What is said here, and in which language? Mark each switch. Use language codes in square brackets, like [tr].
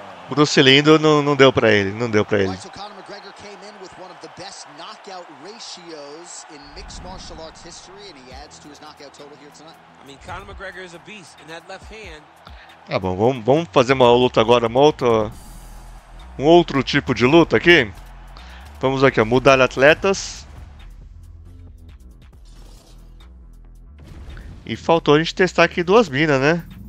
[pt] Bruce Lee ainda não deu pra ele, não deu pra ele. [en] Então, Conor McGregor came in with one of the best knockout ratios in mixed martial arts history, and he adds to his knockout total here tonight. I mean, Conor McGregor is a beast, and that left hand. [pt] Tá bom, vamos fazer uma luta agora, um outro tipo de luta aqui. Vamos aqui, ó, mudar atletas. E faltou a gente testar aqui duas minas, né?